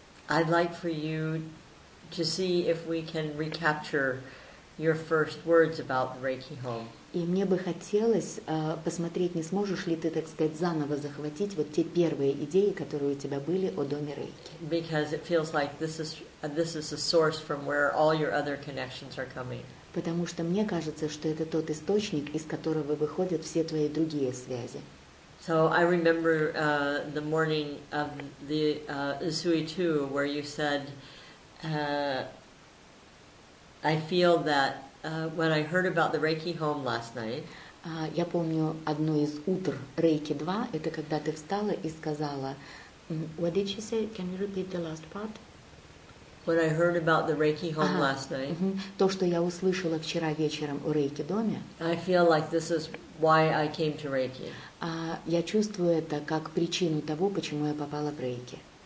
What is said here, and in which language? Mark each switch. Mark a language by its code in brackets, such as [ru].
[en] I'd like for you to see if we can recapture your first words about Reiki Home. [ru] И мне бы хотелось посмотреть, не сможешь ли ты, так сказать, заново захватить вот те первые идеи, которые у тебя были о доме Рейки. [en] Because it feels like this is a source from where all your other connections are coming. [ru] Потому что мне кажется, что это тот источник, из которого выходят все твои другие связи. [en] So I remember the morning of the Usui 2, where you said, I feel that when I heard about the Reiki home last night. [ru] Я помню одно из утр Reiki 2, это когда ты встала и сказала, [en] what did you say? Can you repeat the last part? When I heard about the Reiki home last night. [ru] То, что я услышала вчера вечером о Reiki доме. [en] I feel like this is why I came to Reiki. [ru] Я чувствую это как причину того, почему я попала в Reiki.